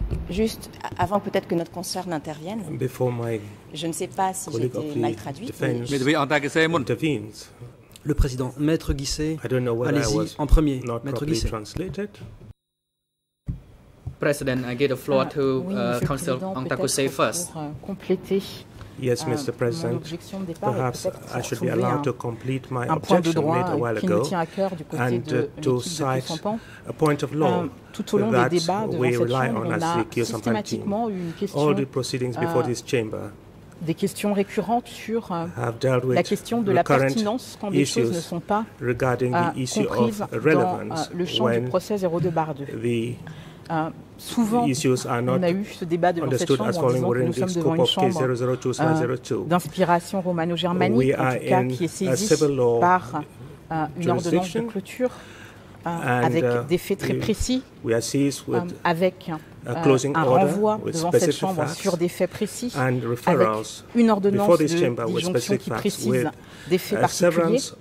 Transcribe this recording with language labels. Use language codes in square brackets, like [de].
[fr] Juste avant peut-être que notre consoeur n'intervienne, je ne sais pas si j'ai été mal traduite. Mais... Le président, Maître Guisset, allez-y en premier. Maître Guisset. [en] Translated. President, I give the floor to Council Antakose first. Yes, Mr. President, perhaps I should be allowed to complete my objection made a while ago and to cite a point of law that we rely on as the Kyo Sampan team. All the proceedings before this chamber [fr] des questions récurrentes sur la question de la pertinence quand des choses ne sont pas comprises dans le champ du procès 02-2. Souvent, on a eu ce débat devant cette chambre en disant que nous sommes devant une chambre d'inspiration romano-germanique, en tout cas, qui est saisie par une ordonnance de clôture avec des faits très précis, avec un renvoi devant cette chambre sur des faits précis, avec une ordonnance de disjonction qui précise des faits particuliers.